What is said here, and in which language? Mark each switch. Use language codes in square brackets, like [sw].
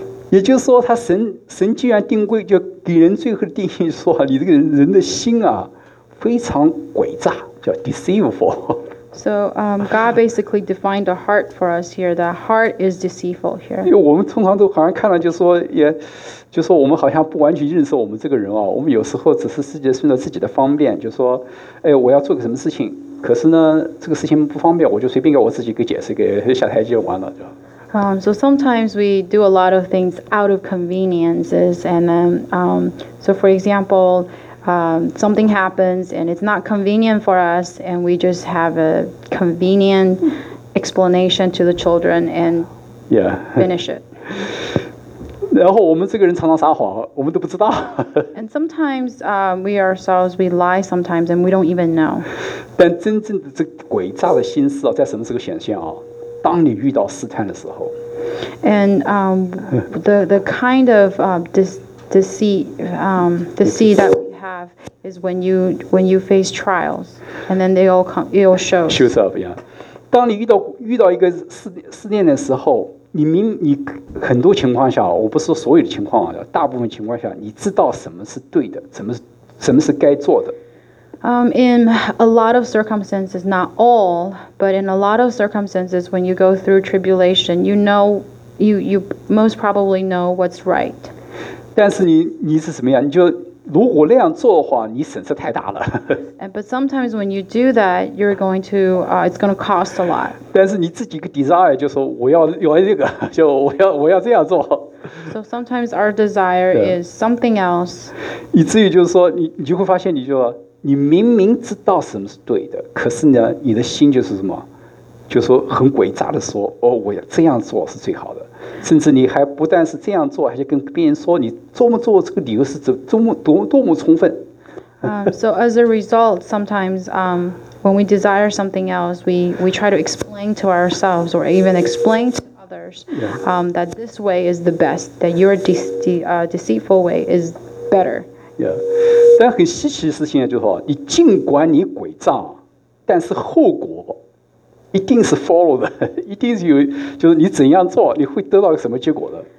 [zh] 也就是说，他神既然定规，就给人最后的定性说，你这个人的心啊，非常诡诈，叫 deceitful。 [en] So, God basically defined the heart for us here. The heart is deceitful here. [zh] 因为我们通常都好像看到，就是说，也就是说，我们好像不完全认识我们这个人啊。我们有时候只是世界顺着自己的方便，就是说，哎，我要做个什么事情，可是呢，这个事情不方便，我就随便给我自己给解释，给下台阶就完了，就。 [en] So sometimes we do a lot of things out of conveniences, and then, so for example. Something happens and it's not convenient for us, and we just have a convenient explanation to the children and finish it. [zh] 然后我们这个人常常撒谎，我们都不知道。 [en] And sometimes we ourselves we lie sometimes and we don't even know. [zh] 但真正的这诡诈的心思啊，在什么时候显现啊？当你遇到试探的时候。 [en] And the kind of deceit that. Have is when you face trials, and then they all come, it all shows. Shows up, yeah. [zh] 当你遇到一个试炼的时候，你很多情况下，我不是说所有的情况啊，大部分情况下，你知道什么是对的，什么是该做的。 [en] In a lot of circumstances, not all, but in a lot of circumstances, when you go through tribulation, you know, you most probably know what's right. [zh] 但是你是什么样？你就如果那样做的话，你损失太大了。 [en] But sometimes when you do that, you're going to, it's going to cost a lot. [zh] 但是你自己个 desire 就说我要这个，就我要这样做。 [en] So sometimes our desire is something else. [zh] 以至于就是说，你就会发现，你明明知道什么是对的，可是呢，你的心就是什么，就说很诡诈的说，哦，我要这样做是最好的。甚至你还不但是这样做，还是跟别人说你这么做这个理由是多么充分。 [en] So as a result, sometimes when we desire something else, we try to explain to ourselves or even explain to others that this way is the best, that your deceitful way is better. Yeah. [zh] 但很稀奇的事情就是说，你尽管你诡诈，但是后果。一定是 follow 的，一定是有，就是你怎样做，你会得到什么结果的。